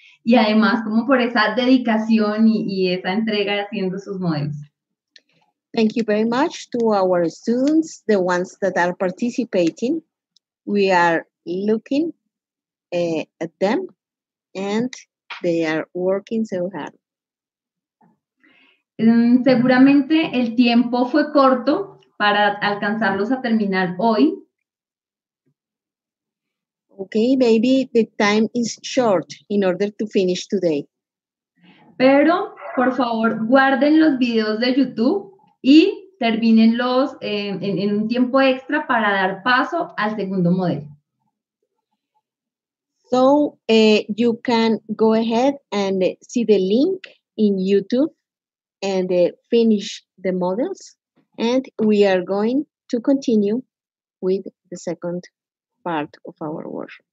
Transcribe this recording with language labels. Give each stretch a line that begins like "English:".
Spanish: Y además, como por esa dedicación y esa entrega haciendo sus modelos.
English: Thank you very much to our students, the ones that are participating. We are looking at them and they are working so hard.
Spanish: Seguramente el tiempo fue corto para alcanzarlos a terminar hoy.
English: Okay, maybe the time is short in order to finish today.
Spanish: Pero, por favor, guarden los videos de YouTube y termínenlos en un tiempo extra para dar paso al segundo modelo.
English: So, you can go ahead and see the link in YouTube and finish the models. And we are going to continue with the second part of our work.